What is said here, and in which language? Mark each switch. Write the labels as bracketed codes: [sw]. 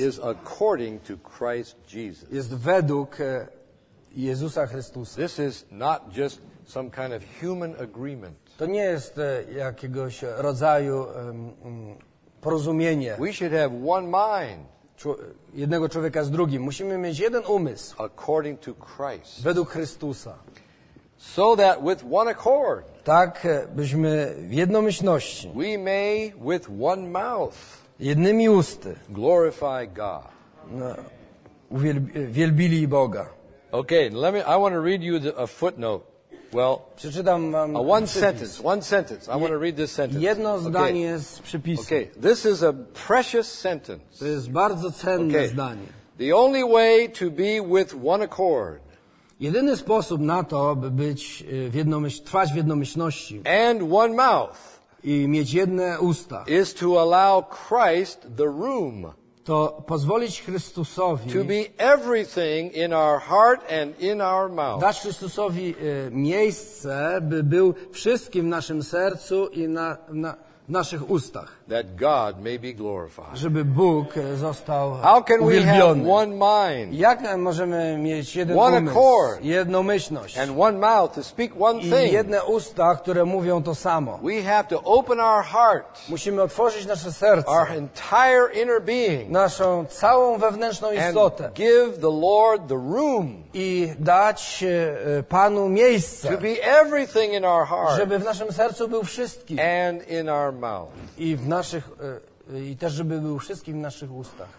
[en] is according to Christ Jesus, [pl] jest według Jezusa Chrystusa. [en] This is not just some kind of human agreement. [pl] To nie jest jakiegoś rodzaju porozumienie. [en] We should have one mind. [pl] Jednego człowieka z drugim. Musimy mieć jeden umysł. [en] According to Christ. [pl] Według Chrystusa. [en] So that with one accord. [pl] Tak, byśmy w jednomyślności. [en] We may with one mouth. [pl] Jednymi usty. [en] Glorify God. [pl] Wielbili Boga. [en] Okay, let me. I want to read you a footnote. Well, [pl] przeczytam wam [en] a one przypis. Sentence. One sentence. I want to read this sentence. [pl] Jedno zdanie okay. Z przypisem. [en] Okay. This is a precious sentence. [pl] To jest bardzo cenne [en] okay. [pl] Zdanie. [en] The only way to be with one accord. [pl] Jedyny sposób na to, by być w trwać w jednomyślności. [en] And one mouth. [pl] I mieć jedne usta. [en] Is to allow Christ the room. [pl] To pozwolić Chrystusowi [en] to be everything in our heart and in our mouth. [pl] Dać Chrystusowi miejsce, by był wszystkim w naszym sercu i w naszych ustach. [en] That God may be glorified. [pl] Żeby Bóg został [en] how can [pl] uwielbiony. [en] We have one mind, [pl] jak możemy mieć jeden [en] one [pl] umysł, [en] accord, [pl] jednomyślność [en] and one mouth to speak one [pl] i [en] thing. [pl] Jedne usta, które mówią to samo. [en] We have to open our heart, [pl] musimy otworzyć nasze serce, [en] our entire inner being, [pl] naszą całą wewnętrzną istotę [en] and give the Lord the room, [pl] i dać Panu miejsce, [en] to be everything in our heart, [pl] żeby w naszym sercu był wszystkim [en] and in our mouth. [pl] I też żeby był wszystkim w naszych ustach.